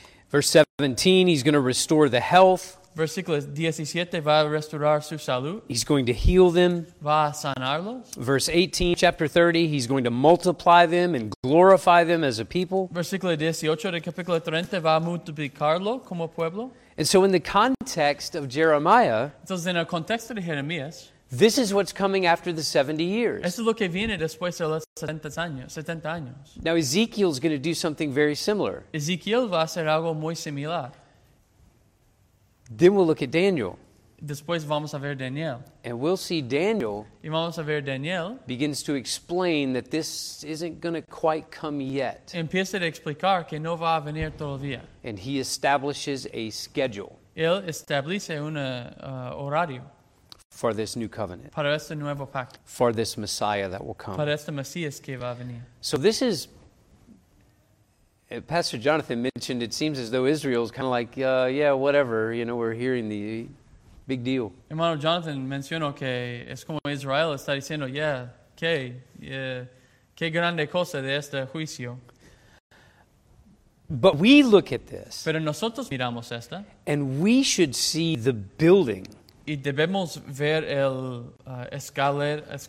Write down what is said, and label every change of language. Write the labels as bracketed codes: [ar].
[en] Verse 17, he's going to restore the health. [es] Versículo 17, va a restaurar su salud. [en] He's going to heal them. [es] Va a sanarlos. [en] Verse 18, chapter 30, he's going to multiply them and glorify them as a people. [es] Versículo 18 de capítulo 30, va a multiplicarlo como pueblo. [en] And so in the context of Jeremiah, [es] entonces en el contexto de Jeremías, [en] this is what's coming after the 70 years. [es] Esto es lo que viene después de los 70 años. [en] Now Ezekiel's going to do something very similar. [es] Ezekiel va a hacer algo muy similar. [en] Then we'll look at Daniel. [es] Después vamos a ver Daniel. [en] And we'll see Daniel. [es] Y vamos a ver Daniel. [en] Begins to explain that this isn't going to quite come yet. [es] Empieza a explicar que no va a venir todavía. [en] And he establishes a schedule. [es] Él establece un horario. [en] For this new covenant. [es] Para este nuevo pacto. [en] For this Messiah that will come. [es] Para este Mesías que va a venir. [en] So this is, Pastor Jonathan mentioned, it seems as though Israel is kind of like, yeah, whatever, you know, we're hearing the big deal. [es] Hermano Jonathan mencionó que es como Israel está diciendo, yeah, qué grande cosa de este juicio. [en] But we look at this. [es] Pero nosotros miramos esta. [en] And we should see the building. [es] Y debemos ver el escalera.